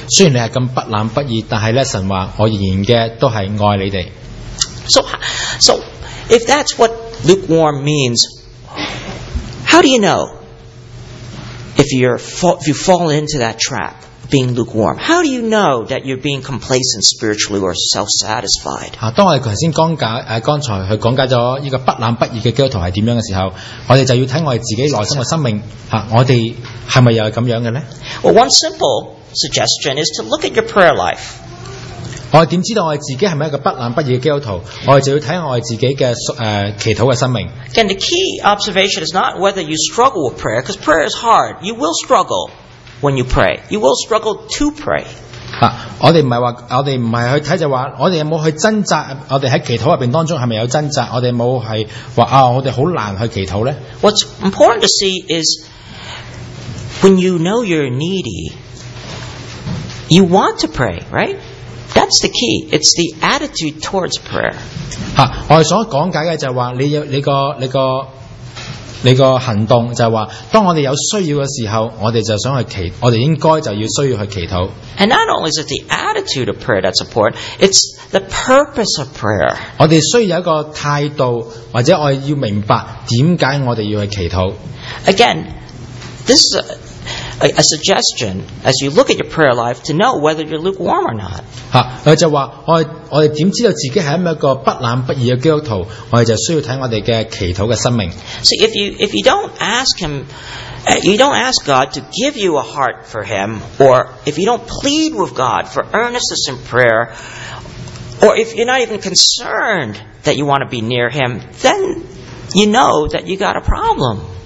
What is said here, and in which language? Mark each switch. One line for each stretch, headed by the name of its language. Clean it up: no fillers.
Cantonese: 虽然你系咁不冷不热，但系咧神话我仍然嘅都系爱你哋。
English: So if that's what lukewarm means, how do you know? If you fall into that trap, being lukewarm, how do you know that you're being complacent spiritually or self-satisfied?
Cantonese: 当我哋头先刚才去讲解咗呢个不冷不热嘅基督徒系点样嘅时候，我哋就要睇我哋自己内心嘅生命，我哋系咪又系咁样嘅咧？
English: Well, one simple suggestion is to look at your prayer life.
Cantonese: 我哋点知道我哋自己系咪一个不冷不热嘅基督徒？我哋就要睇我哋自己嘅祈祷嘅生命。
English: And the key observation is not whether you struggle with prayer, because prayer is hard. You will struggle when you pray. You will struggle to pray.
Cantonese: 我哋唔系去睇就话，我哋有冇去挣扎？我哋喺祈祷入边当中系咪有挣扎？我哋冇系话啊，我哋好难去祈祷咧。
English: What's important to see is when you know you're needy, you want to pray, right? That's the key. It's the attitude towards prayer.
Cantonese: 我哋所讲解嘅就系话，你个行动就系话，当我哋有需要嘅时候，我哋就想去祈，我哋应该就要需要去祈祷。
English: And not only is it the attitude of prayer that's important, it's the purpose of prayer.
Cantonese: 我哋需要有一个态度，或者我要明白点解我哋要去祈祷。
English: Again, this is a suggestion as you look at your prayer life to know whether you're lukewarm or not.
Cantonese: 佢就话我哋点知道自己系咪一个不冷不热嘅基督徒？我哋就需要睇我哋嘅祈祷嘅生命。
English: So if you don't ask him, you don't ask God to give you a heart for him, or if you don't plead with God for earnestness in prayer, or if you're not even concerned that you want to be near him, then you know that you got a problem.